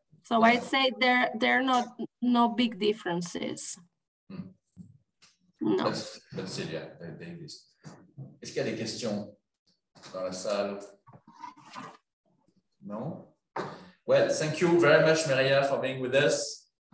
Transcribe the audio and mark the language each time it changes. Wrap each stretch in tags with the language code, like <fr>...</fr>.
<en>So I'd say there are no big differences. Hmm. No. That's it, yeah, Davis.</en> <fr>Est-ce qu'il y a des questions dans la salle?</fr> <en>No? Well, thank you very much, Maria, for being with us.</en>